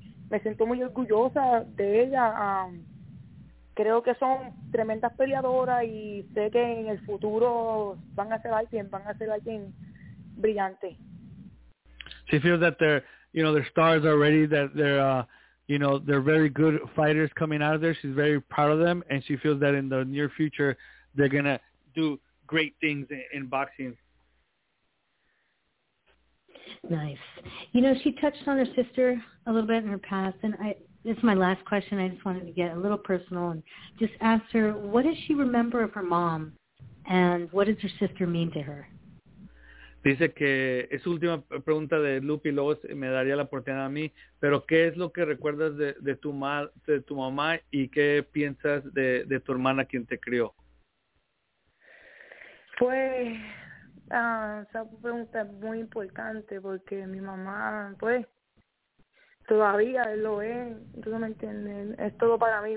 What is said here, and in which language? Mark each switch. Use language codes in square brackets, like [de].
[es] Me siento muy orgullosa de ella. Creo que son tremendas peleadoras y sé que en el futuro van a ser alguien brillante. [en] She feels that they're, you know, their stars are ready, that they're you know, they're very good fighters coming out of there. She's very proud of them, and she feels that in the near future they're going to do great things in boxing. Nice. You know, she touched on her sister a little bit in her past, and this is my last question. I just wanted to get a little personal and just ask her, what does she remember of her mom, and what does her sister mean to her? [es] Dice que es última pregunta de Lupi, luego me daría la oportunidad a mí, pero ¿qué es lo que recuerdas de tu mamá y qué piensas de tu hermana quien te crió? Pues, esa pregunta es muy importante porque mi mamá, pues, todavía lo es, tú no me entiendes, es todo para mí.